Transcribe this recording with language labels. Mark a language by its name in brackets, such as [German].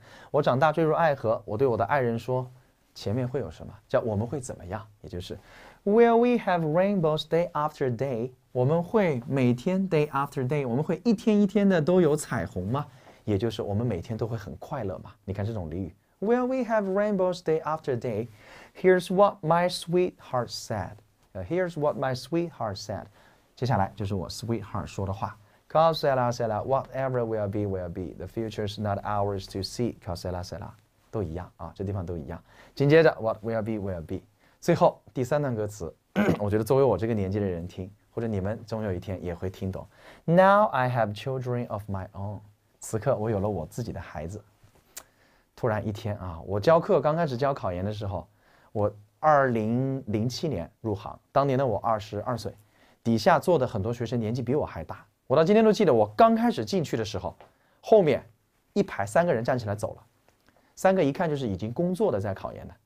[Chinese] 我长大坠入爱河，我对我的爱人说前面会有什么，叫我们会怎么样，也就是 [English] Will we have rainbows day after day? [Chinese] 我们会每天 [English] day after day， [Chinese] 我们会一天一天的都有彩虹吗，也就是我们每天都会很快乐吗。你看这种俚语， [English] Will we have rainbows day after day? Here's what my sweetheart said. Here's what my sweetheart said. [Chinese] 接下来就是我 sweetheart 说的话。 [English] Call Sarah, Sarah, whatever will be, the future's not ours to see. [Chinese] Call Sarah, Sarah, 都一样啊，这地方都一样。紧接着 [English] what will be, [Chinese] 最后第三段歌词，我觉得作为我这个年纪的人听，或者你们总有一天也会听懂。 [English] Now I have children of my own. [Chinese] 此刻我有了我自己的孩子。突然一天啊，我教课刚开始教考研的时候，我2007年入行，当年的我22岁。底下坐的很多学生年纪比我还大，我到今天都记得，我刚开始进去的时候，后面一排三个人站起来走了，三个一看就是已经工作的在考研的。